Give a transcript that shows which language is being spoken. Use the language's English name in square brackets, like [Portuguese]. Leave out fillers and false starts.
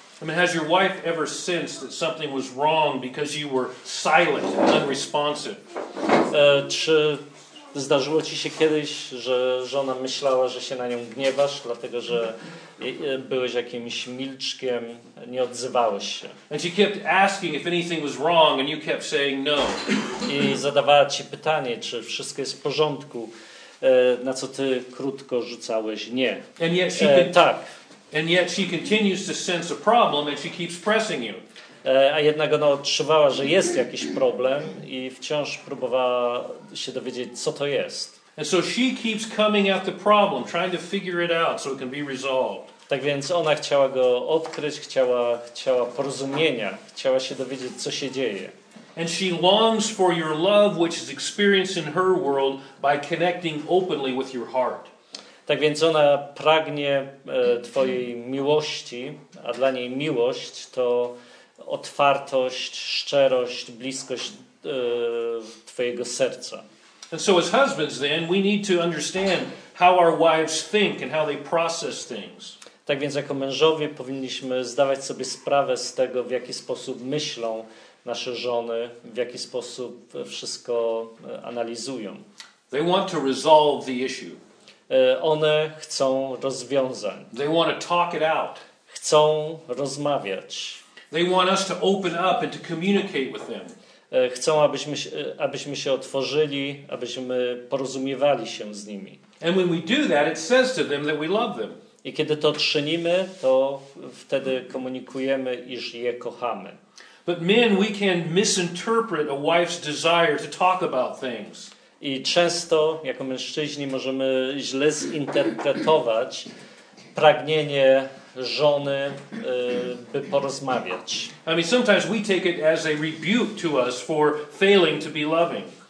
[English] I mean, has your wife ever sensed that something was wrong because you were silent and unresponsive? [Polish] Czy zdarzyło ci się kiedyś, że żona myślała, że się na nią gniewasz, dlatego że byłeś jakimś milczkiem, nie odzywałeś się? [English] And she kept asking if anything was wrong and you kept saying no. [Polish] I zadawała ci pytanie, czy wszystko jest w porządku, na co ty krótko rzucałeś nie. [English] And yet she [Polish] tak. [English] And yet she continues to sense a problem and she keeps pressing you. [Polish] A jednak ona odczuwała, że jest jakiś problem i wciąż próbowała się dowiedzieć, co to jest. [English] And so she keeps coming at the problem, trying to figure it out so it can be resolved. [Polish] Tak więc ona chciała go odkryć, chciała porozumienia, chciała się dowiedzieć, co się dzieje. [English] And she longs for your love, which is experienced in her world by connecting openly with your heart. [Polish] Tak więc ona pragnie twojej miłości, a dla niej miłość to otwartość, szczerość, bliskość twojego serca. [English] And so as husbands then, we need to understand how our wives think and how they process things. [Polish] Tak więc jako mężowie powinniśmy zdawać sobie sprawę z tego, w jaki sposób myślą nasze żony, w jaki sposób wszystko analizują. [English] They want to resolve the issue. [Polish] One chcą rozwiązań. [English] They want to talk it out. [Polish] Chcą rozmawiać. [English] They want us to open up and to communicate with them. [Polish] Chcą, abyśmy się otworzyli, abyśmy porozumiewali się z nimi. [English] And when we do that, it says to them that we love them. [Polish] I kiedy to czynimy, to wtedy komunikujemy, iż je kochamy. [English] But men, we can misinterpret a wife's desire to talk about things. [Polish] I często jako mężczyźni możemy źle zinterpretować pragnienie żony, by porozmawiać. [English] I mean, sometimes we take it as a rebuke to us for failing to be loving.